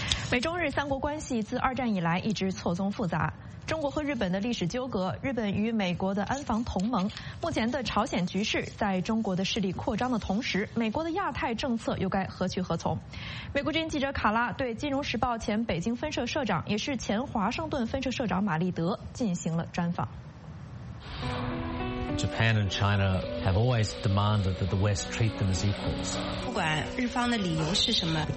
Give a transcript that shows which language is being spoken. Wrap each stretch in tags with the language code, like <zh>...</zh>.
<zh>美中日三国关系自二战以来一直错综复杂，中国和日本的历史纠葛，日本与美国的安防同盟，目前的朝鲜局势，在中国的势力扩张的同时，美国的亚太政策又该何去何从？美国之音记者卡拉对《金融时报》前北京分社社长，也是前华盛顿分社社长马立德进行了专访。</zh> <en>Japan and China have always demanded that the West treat them as equals.</en> <zh>不管日方的理由是什么，</zh>